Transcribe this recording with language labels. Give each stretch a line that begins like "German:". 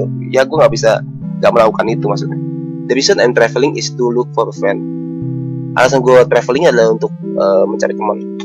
Indonesian: Ya, gue gak bisa gak melakukan itu, maksudnya.
English: The reason I'm traveling is to look for a friend.
Indonesian: Alasan gue traveling adalah untuk mencari teman.